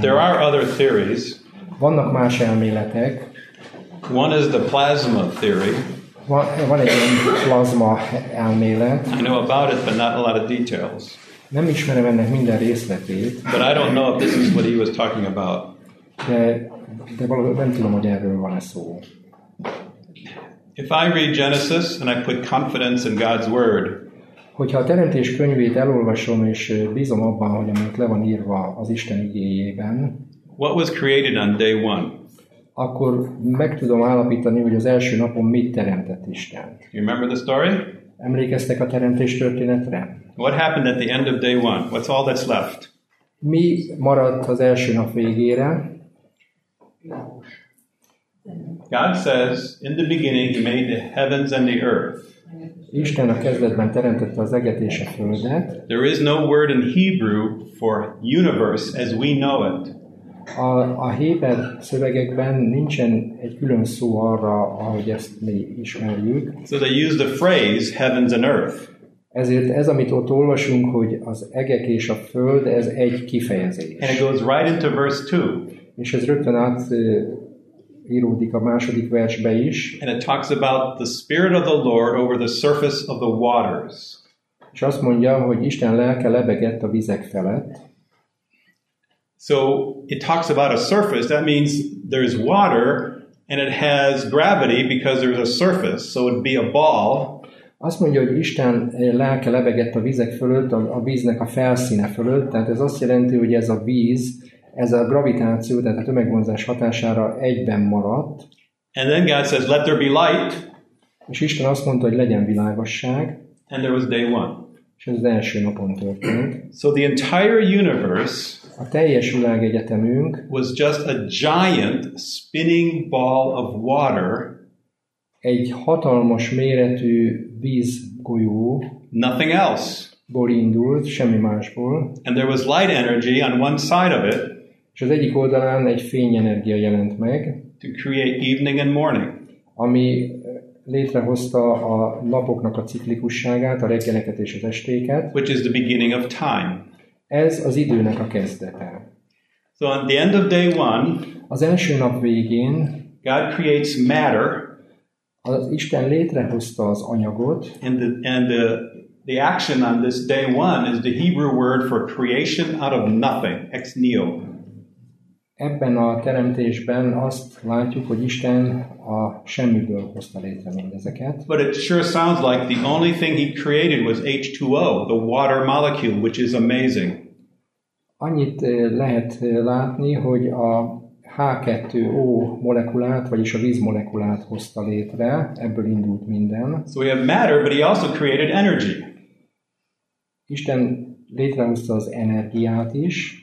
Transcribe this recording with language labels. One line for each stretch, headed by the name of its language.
English: There are other theories.
Hungarian: Vannak más elméletek.
English: One is the plasma theory.
Hungarian: Van egy ilyen plazma elmélet.
English: I know about it, but not a lot of details.
Hungarian: Nem ismerem ennek minden részletét.
English: But I don't know if this is what he was talking about.
Hungarian: De nem tudom, hogy erről van-e szó.
English: If I read Genesis and I put confidence in God's word,
Hungarian: hogyha a Teremtés könyvét elolvasom és bízom abban, hogy amit le van írva az Isten igéjében,
English: what was created on day one?
Hungarian: akkor meg tudom állapítani, hogy az első napon mit teremtett Isten.
English: You remember the story?
Hungarian: Emlékeztek a teremtés történetre?
English: What happened at the end of day one? What's all that's left?
Hungarian: Mi maradt az első nap végére?
English: God says, in the beginning he made the heavens and the earth.
Hungarian: Isten a kezdetben teremtette az eget és a földet.
English: There is no word in Hebrew for universe as we know it.
Hungarian: A héber szövegekben nincsen egy külön szó arra, ahogy ezt mi ismerjük.
English: So they use the phrase heavens and earth.
Hungarian: Ezért ez, amit ott olvasunk, hogy az egek és a föld, ez egy kifejezés.
English: And it goes right into verse 2.
Hungarian: És ez rögtön át íródik a második versbe is.
English: And it talks about the spirit of the Lord over the surface of the waters.
Hungarian: És azt mondja, hogy Isten lelke lebegett a vizek felett.
English: So it talks about a surface. That means there's water and it has gravity because there's a surface. So it'd be a ball.
Hungarian: Azt mondja, hogy Isten lelke lebegett a vizek fölött, a víznek a felszíne fölött. Tehát ez azt jelenti, hogy ez a víz, ez a gravitáció, tehát a tömegvonzás hatására egyben maradt.
English: And then God says, let there be light.
Hungarian: És Isten azt mondta, hogy legyen világosság.
English: And there was day one.
Hungarian: És ez az első napon történt.
English: So the entire universe,
Hungarian: a teljes világegyetemünk,
English: was just a giant spinning ball of water.
Hungarian: Egy hatalmas méretű vízgolyó.
English: Nothing else.
Hungarian: Ból indult, semmi másból.
English: And there was light energy on one side of it.
Hungarian: És az egyik oldalán egy fényenergia jelent meg.
English: To create evening and morning.
Hungarian: Ami létrehozta a napoknak a ciklikusságát, a reggeleket és az estéket.
English: Which is the beginning of time.
Hungarian: Ez az időnek a kezdete.
English: So on the end of day one,
Hungarian: az első nap végén,
English: God creates matter.
Hungarian: Az Isten létrehozta az anyagot.
English: And the action on this day one is the Hebrew word for creation out of nothing, ex nihilo.
Hungarian: Ebben a teremtésben azt látjuk, hogy Isten a semmiből hozta létre mindezeket.
English: But it sure sounds like the only thing he created was H2O, the water molecule, which is amazing.
Hungarian: Annyit lehet látni, hogy a H2O molekulát, vagyis a vízmolekulát hozta létre, ebből indult minden.
English: So we have matter, but he also created energy.
Hungarian: Isten létrehozta az energiát is.